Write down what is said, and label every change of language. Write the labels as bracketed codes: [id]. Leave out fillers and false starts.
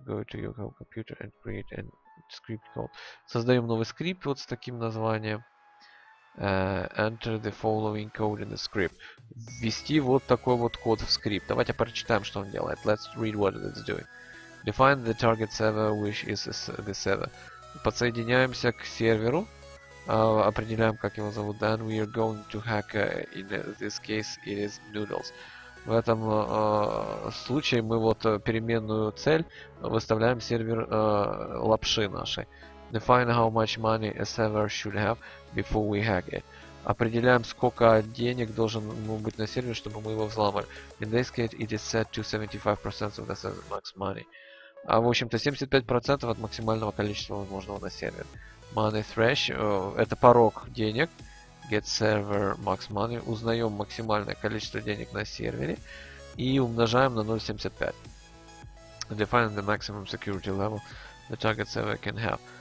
[en] Go to your home computer and create a script called. [ru] Создаем новый скрипт вот с таким названием. [en] Enter the following code in the script. [ru] Ввести вот такой вот код в скрипт. Давайте прочитаем, что он делает. [en] Let's read what it's doing. Define the target server, which is the server. [ru] Подсоединяемся к серверу. Определяем, как его зовут. [en] Then we are going to hack. In this case, it is Noodles. [ru] В этом случае мы вот переменную цель выставляем сервер лапши нашей. [en] Define how much money a server should have before we hack it. [ru] Определяем, сколько денег должен быть на сервере, чтобы мы его взломали. [en] In this case, it is set to 75% of the server max money. [ru] А в общем-то 75% от максимального количества возможного на сервере. [en] Money thresh [ru] это порог денег. [en] Get server max money. [ru] Узнаем максимальное количество денег на сервере и умножаем на 0.75. [en] Define the maximum security level the target server can have.